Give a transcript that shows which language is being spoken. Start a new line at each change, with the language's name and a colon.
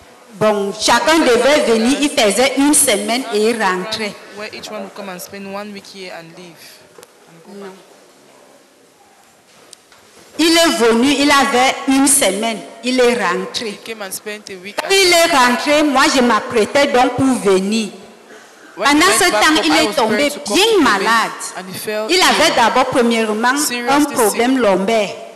French: Bon, chacun devait venir, il faisait une semaine et il rentrait.
English: Where each one would come and spend 1 week here and leave.
French: Il est venu, il avait une semaine, il est rentré. Quand il est rentré, moi je m'apprêtais donc pour venir. Pendant ce temps, il est tombé bien malade. Il avait d'abord, premièrement, un problème lombaire.